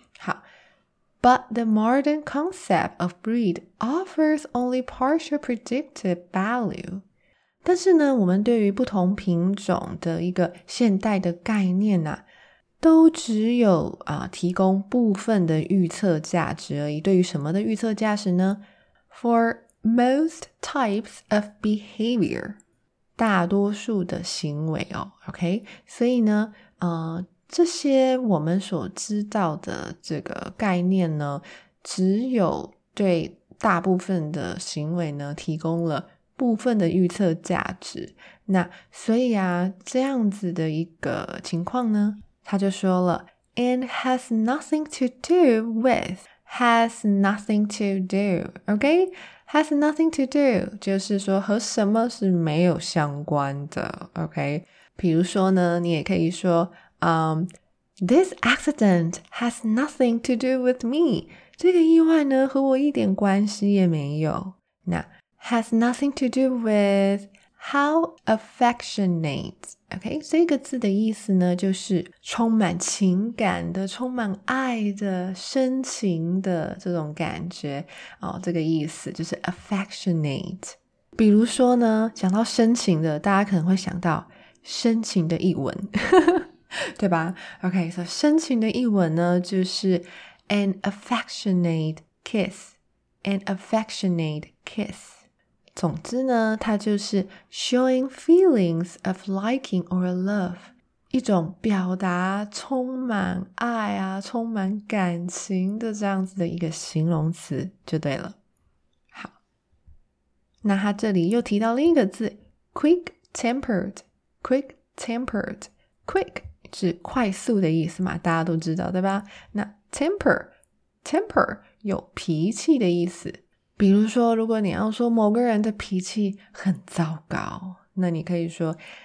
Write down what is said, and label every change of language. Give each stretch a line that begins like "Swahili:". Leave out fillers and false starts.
Chinese: 好，
English: But the modern concept of breed offers only partial predictive value，
Chinese: 但是呢我们对于不同品种的一个现代的概念啊，都只有提供部分的预测价值而已。对于什么的预测价值呢？
English: For most types of behavior,
Chinese: 大多数的行为哦
English: ,OK?
Chinese: 所以呢这些我们所知道的这个概念呢只有对大部分的行为呢提供了部分的预测价值。那所以啊这样子的一个情况呢他就说了 ,
English: and has nothing to do with, has nothing to do, OK? Has nothing to do,
Chinese: 就是说和什么是没有相关的 ,OK? 比如说呢你也可以说
English: This accident has nothing to do with me.
Chinese: 这个意外呢和我一点关系也没有。
English: 那 has nothing to do with how affectionate.
Chinese: OK, 这个字的意思呢就是充满情感的充满爱的深情的这种感觉。哦这个意思就是 affectionate。比如说呢讲到深情的大家可能会想到深情的译文。
English: 对吧 ?OK, so
Chinese: 深情的译文呢就是
English: an affectionate kiss, an affectionate kiss.
Chinese: 总之呢它就是
English: showing feelings of liking or love,
Chinese: 一种表达充满爱啊充满感情的这样子的一个形容词就对了。好。那它这里又提到另一个字 ,quick-tempered, quick-tempered, quick,是快速的意思嘛大家都知道对吧那 temper 有脾气的意思比如说如果你要说某个人的脾气很糟糕那你可以说